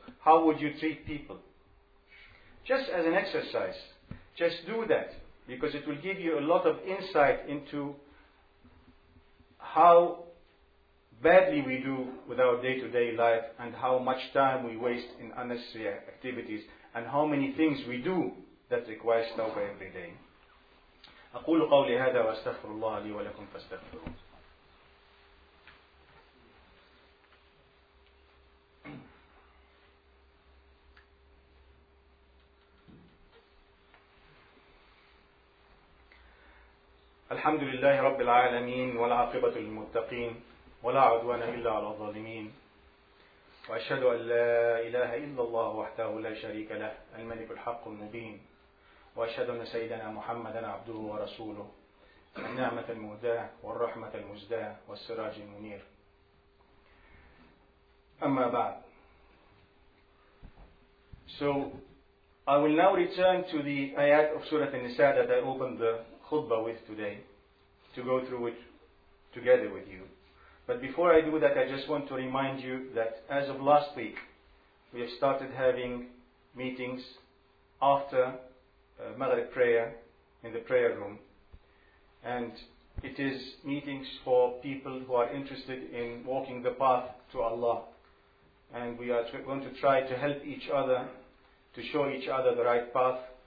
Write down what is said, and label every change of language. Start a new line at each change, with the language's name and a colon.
English: How would you treat people? Just as an exercise, just do that, because it will give you a lot of insight into how badly we do with our day-to-day life and how much time we waste in unnecessary activities and how many things we do that requires tawbah every day.
Arabic: أقول قولي هذا وأستغفر الله لي ولكم فاستغفروه. الحمد لله رب العالمين والعاقبة للمتقين ولا عدوان إلا على الظالمين وأشهد أن لا إله إلا الله وحده لا شريك له الملك الحق المبين وأشهد أن سيدنا محمدًا عبده ورسوله النعمة المهداة والرحمة المزداة والسراج المنير أما بعد.
English: So I will now return to the ayat of Surah An-Nisa that I opened the khutbah with today to go through it together with you. But before I do that, I just want to remind you that as of last week, we have started having meetings after Maghrib prayer in the prayer room, and it is meetings for people who are interested in walking the path to Allah, and we are going to try to help each other, to show each other the right path.